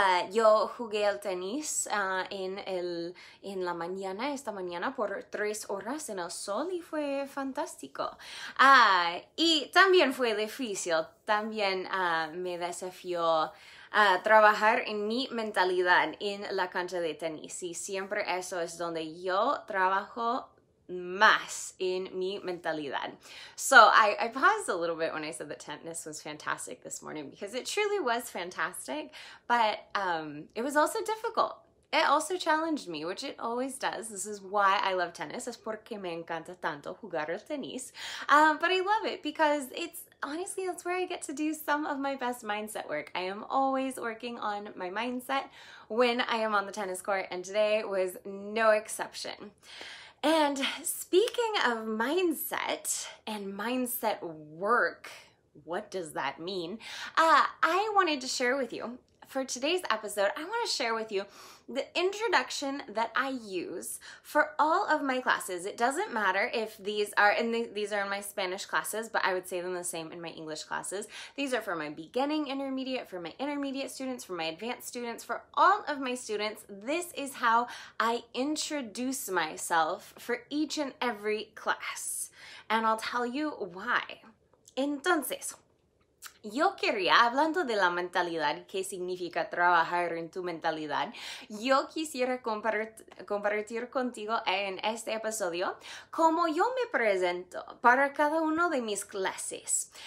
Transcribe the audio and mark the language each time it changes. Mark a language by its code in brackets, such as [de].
[es] Yo jugué al tenis en la mañana, esta mañana, por 3 horas en el sol y fue fantástico. Y también fue difícil, también me desafió trabajar en mi mentalidad en la cancha de tenis. Y siempre eso es donde yo trabajo más en mi mentalidad. [en] So I paused a little bit when I said that tetanus was fantastic this morning because it truly was fantastic, but it was also difficult. It also challenged me, which it always does. This is why I love tennis. [es] Es porque me encanta tanto jugar al tenis. [en] But I love it because it's honestly, that's where I get to do some of my best mindset work. I am always working on my mindset when I am on the tennis court, and today was no exception. And speaking of mindset and mindset work, what does that mean? I wanted to share with you, for today's episode, I want to share with you the introduction that I use for all of my classes. It doesn't matter if these are in these are in my Spanish classes, but I would say them the same in my English classes. These are for my beginning intermediate, for my intermediate students, for my advanced students, for all of my students. This is how I introduce myself for each and every class. And I'll tell you why. [es] Entonces, yo quería, hablando de la mentalidad, qué significa trabajar en tu mentalidad, yo quisiera compartir contigo en este episodio cómo yo me presento para cada uno de mis clases.